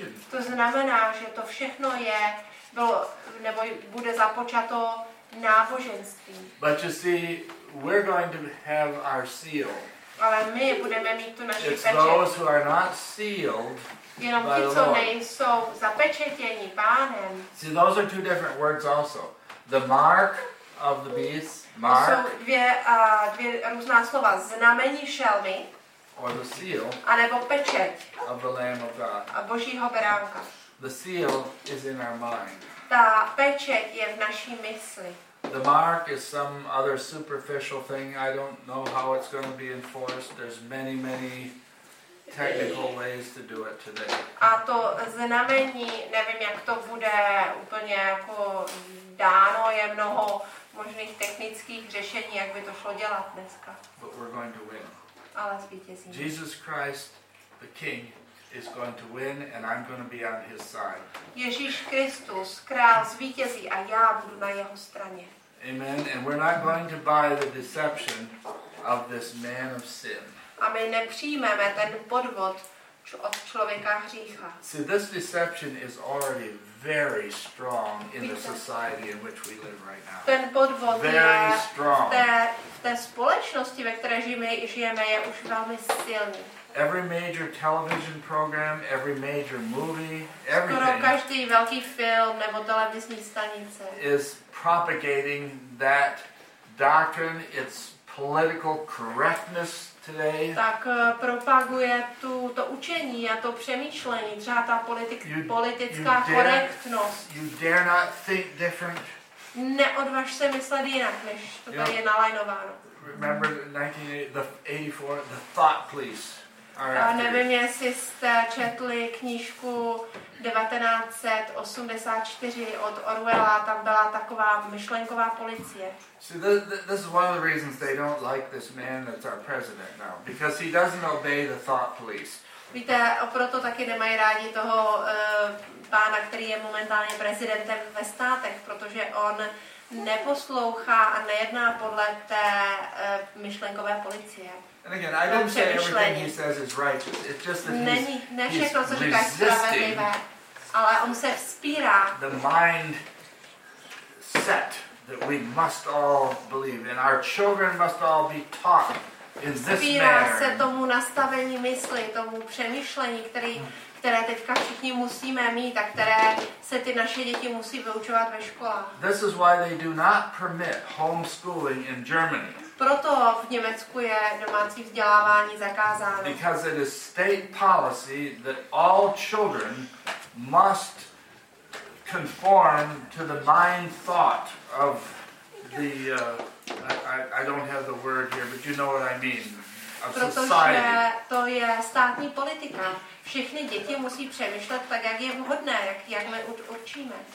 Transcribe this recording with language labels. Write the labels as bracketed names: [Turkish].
[Czech] To znamená, že to všechno je, bylo, nebo bude započato náboženství. [English] But you see, we're going to have our seal. [Czech] Ale my budeme mít tu naši pečeť. [English] It's those who are not sealed. [Czech] Jenom ti, co nejsou zapečetěni Pánem. [English] See, those are two different words also. The mark of the beast, mark. [Czech] To jsou dvě různá slova. Znamení šelmy. [English] Or the seal. [Czech] A nebo pečeť. [English] Of the Lamb of God. [Czech] A Božího beránka. [English] The seal is in our mind. [Czech] Ta pečeť je v naší mysli. [English] The mark is some other superficial thing. I don't know how it's going to be enforced. There's many, many technical ways to do it today. [Czech] A to znamení, nevím, jak to bude úplně jako dáno, je mnoho možných technických řešení, jak by to šlo dělat dneska. [English] But we're going to win. [Czech] Ale zvítězíme. [English] Jesus Christ, the King, is going to win and I'm going to be on his side. [Czech] Ježíš Kristus, král zvítězí a já budu na jeho straně. [English] Amen. And we're not going to buy the deception of this man of sin. [Czech] A my nepřijmeme ten podvod od člověka hřícha. [English] See, this deception is already very strong in the society in which we live right now. [Czech] Ten podvod [English] very [Czech] je [English] strong. [Czech] V té společnosti, ve které žijeme, je už velmi silný. [English] Every major television program, every major movie, everything. [Czech] Skoro každý velký film nebo televizní stanice. [English] Is propagating that doctrine, its political correctness today. [Czech] Tak propaguje to učení a to přemýšlení, třeba ta politická korektnost. [English] You dare not think different. [Czech] Neodvaž se myslet jinak, než to tady je nalajnováno. [English] Remember the 1984, the thought police. [Czech] A nevím, jestli jste četli knížku 1984 od Orwella, tam byla taková myšlenková policie. [English] So this is one of the reasons they don't like this man that's our president now, because he doesn't obey the thought police. [Czech] Víte, proto taky nemají rádi toho pána, který je momentálně prezidentem ve státech, protože on neposlouchá a nejedná podle té myšlenkové policie. [English] And again, I didn't say everything he says is righteous. It's just that he's resisting the mind set that we must all believe in. Our children must all be taught in this manner. [Czech] Spírá se tomu nastavení mysli, tomu přemýšlení, které teďka všichni musíme mít a které se ty naše děti musí vyučovat ve školách. [English] This is why they do not permit homeschooling in Germany. [Czech] Proto v Německu je domácí vzdělávání zakázáno. [English] Because it is state policy that all children must conform to the mind thought of the I don't have the word here, but you know what I mean. [Czech] Protože to je státní politika. Všechny děti musí přemýšlet tak, jak je vhodné, jak my určíme.